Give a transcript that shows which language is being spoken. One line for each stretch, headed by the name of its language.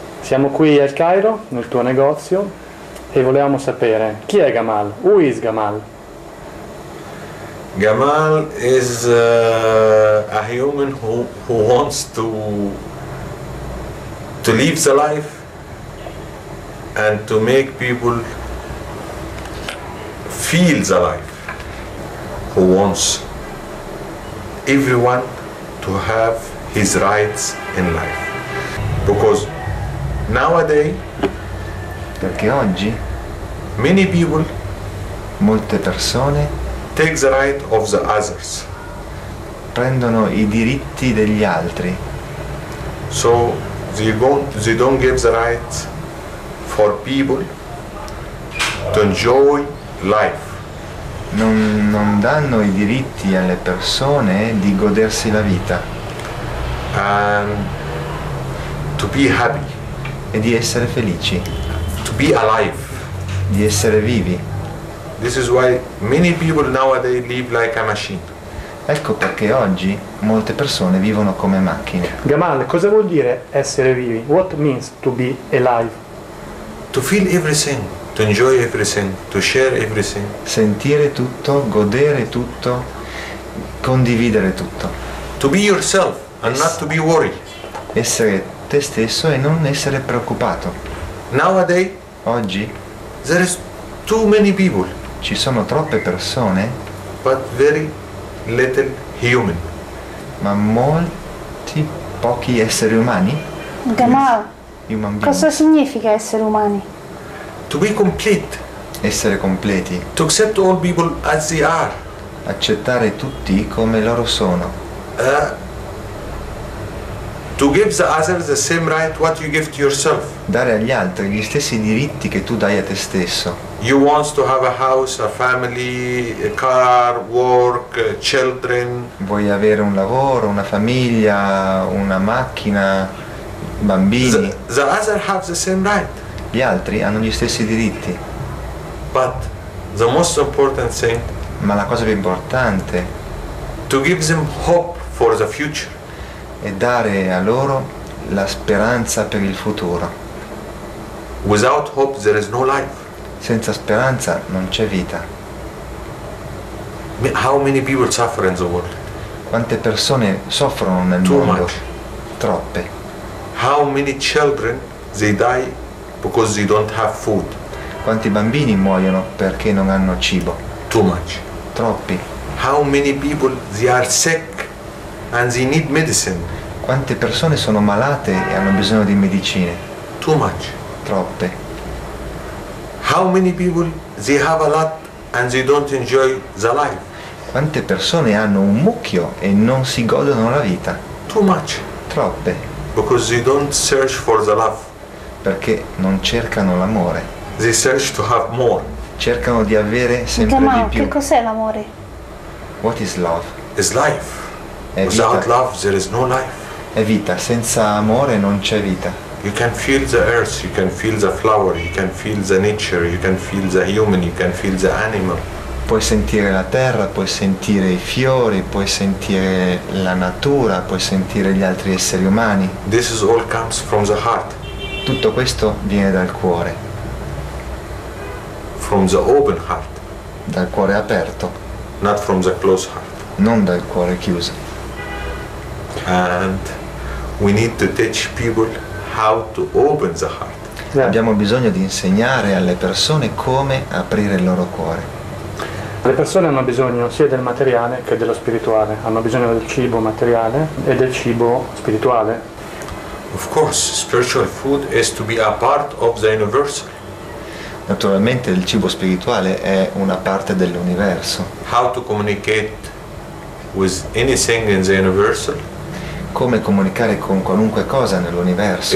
Italian: siamo qui al Cairo, nel tuo negozio, e volevamo sapere chi è Gamal?
English: Who is Gamal? Gamal is a human who wants to live the life and to make people feel the life, who wants everyone to have his rights in life. Because nowadays,
Italian: perché oggi
English: many people,
Italian: molte persone,
English: take the right of the others,
Italian: prendono i diritti degli altri.
English: So they don't give the right for people to enjoy life.
Italian: Non danno i diritti alle persone di godersi la vita.
English: To be happy.
Italian: E di essere felici.
English: To be alive.
Italian: Di essere vivi.
English: This is why many people nowadays live like a machine.
Italian: Ecco perché oggi molte persone vivono come macchine. Gamal, cosa vuol dire essere vivi?
English: What means to be alive? To feel everything, to enjoy everything, to share everything.
Italian: Sentire tutto, godere tutto, condividere tutto.
English: To be yourself and not to be worried.
Italian: Essere te stesso e non essere preoccupato.
English: Nowadays,
Italian: oggi,
English: there is too many people.
Italian: Ci sono troppe persone,
English: but very little human.
Italian: Ma molti pochi esseri umani. Gamal, cosa significa essere umani?
English: To be complete.
Italian: Essere completi.
English: To accept all people as they are.
Italian: Accettare tutti come loro sono.
English: To give the others the same right what you give to yourself.
Italian: Dare agli altri gli stessi diritti che tu dai a te stesso.
English: You want to have a house, a family, a car, work, children.
Italian: Vuoi avere un lavoro, una famiglia, una macchina, bambini.
English: The others have the same right.
Italian: Gli altri hanno gli stessi diritti.
English: But the most important thing.
Italian: Ma la cosa più importante.
English: To give them hope for the future.
Italian: E dare a loro la speranza per il futuro.
English: Without hope there is no life.
Italian: Senza speranza non c'è vita.
English: How many people suffer in the world?
Italian: Quante persone soffrono nel
English: Too
Italian: mondo?
English: Much.
Italian: Troppe.
English: How many children they die because they don't have food?
Italian: Quanti bambini muoiono perché non hanno cibo?
English: Too much.
Italian: Troppi.
English: How many people they are sick? And they need medicine.
Italian: Quante persone sono malate e hanno bisogno di medicine?
English: Too much.
Italian: Troppe.
English: How many people they have a lot and they don't enjoy the life?
Italian: Quante persone hanno un mucchio e non si godono la vita?
English: Too much.
Italian: Troppe.
English: Because they don't search for the love.
Italian: Perché non cercano l'amore.
English: They search to have more.
Italian: Cercano di avere sempre Gamal, di più. Che cos'è l'amore?
English: What is love? It's life.
Italian: È vita.
English: Without love there is no life.
Italian: È vita, senza amore non c'è vita.
English: You can feel the earth, you can feel the flower, you can feel the nature, you can feel the human, you can feel the animal.
Italian: Puoi sentire la terra, puoi sentire i fiori, puoi sentire la natura, puoi sentire gli altri esseri umani.
English: This is all comes from the heart.
Italian: Tutto questo viene dal cuore.
English: From the open heart.
Italian: Dal cuore aperto.
English: Not from the closed heart.
Italian: Non dal cuore chiuso.
English: And we need to teach people how to open the heart. Yeah.
Italian: Abbiamo bisogno di insegnare alle persone come aprire il loro cuore. Le persone hanno bisogno sia del materiale che dello spirituale. Hanno bisogno del cibo materiale e del cibo spirituale.
English: Of course, spiritual food is to be a part of the universe.
Italian: Naturalmente il cibo spirituale è una parte dell'universo.
English: How to communicate with anything in the universe?
Italian: Come comunicare con qualunque cosa nell'universo?